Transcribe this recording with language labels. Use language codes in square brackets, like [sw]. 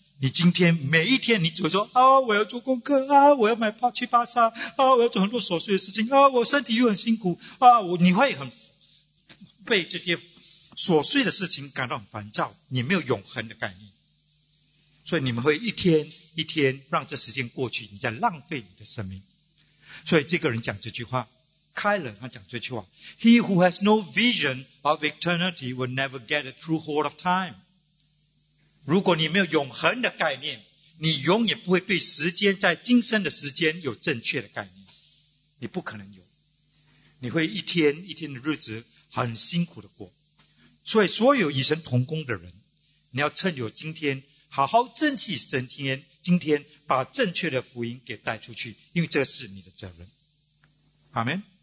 [zh] 你今天每一天你只会说我要做功课我要买巴去巴沙我要做很多琐碎的事情我身体又很辛苦你会很被这些琐碎的事情感到很烦躁，你没有永恒的概念，所以你们会一天一天让这时间过去，你在浪费你的生命。所以这个人讲这句话，开了他讲这句话， [en] He who has no vision of eternity will never get a true hold of time。 [zh] 如果你没有永恒的概念，你永远不会对时间，在今生的时间有正确的概念，你不可能有，你会一天一天的日子很辛苦的过。所以所有与神同工的人，你要趁有今天好好珍惜神天，今天把正确的福音给带出去，因为这是你的责任。阿们。